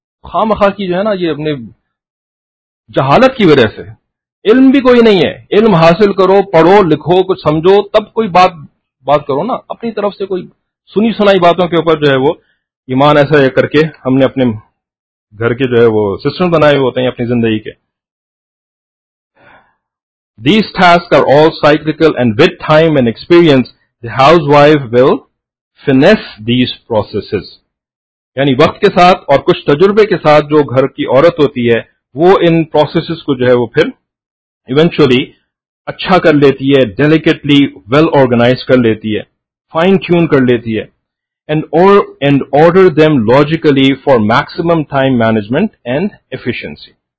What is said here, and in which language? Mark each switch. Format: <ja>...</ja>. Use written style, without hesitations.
<ur>خواہ مخواہ کی جو ہے نا یہ اپنے جہالت کی وجہ سے. علم بھی کوئی نہیں ہے, علم حاصل کرو, پڑھو لکھو, کچھ سمجھو, تب کوئی بات کرو نا. اپنی طرف سے کوئی سنی سنائی باتوں کے اوپر جو ہے وہ ایمان ایسا کر کے ہم نے اپنے گھر کے جو ہے وہ سسٹم بنائے ہوتے ہیں اپنی زندگی کے.</ur> <en>These tasks are all cyclical and with time and experience the housewife will finesse these processes.</en> <ur>یعنی وقت کے ساتھ اور کچھ تجربے کے ساتھ جو گھر کی عورت ہوتی ہے وہ ان پروسیسز کو جو ہے وہ پھر ایونچولی اچھا کر لیتی ہے,</ur> <en>delicately well organize</en> <ur>کر لیتی ہے, فائن ٹیون کر لیتی ہے,</ur> <en>and order them logically for maximum time management and efficiency.</en>